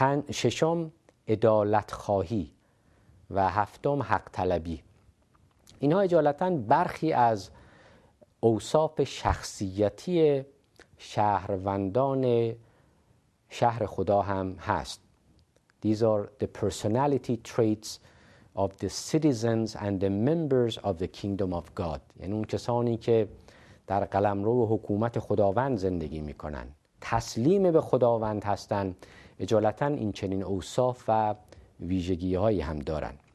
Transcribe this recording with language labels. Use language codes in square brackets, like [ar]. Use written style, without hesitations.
[fa] ششم عدالت خواهی و هفتم حق طلبی. اینها اجالتاً برخی از اوصاف شخصیتی شهروندان شهر خدا هم هست. [en] These are the personality traits of the citizens and the members of the kingdom of God. [fa] یعنی اون کسانی که در قلمرو حکومت خداوند زندگی میکنن، تسلیم به خداوند هستن، اجالتاً این چنین اوصاف و ویژگی هایی هم دارن.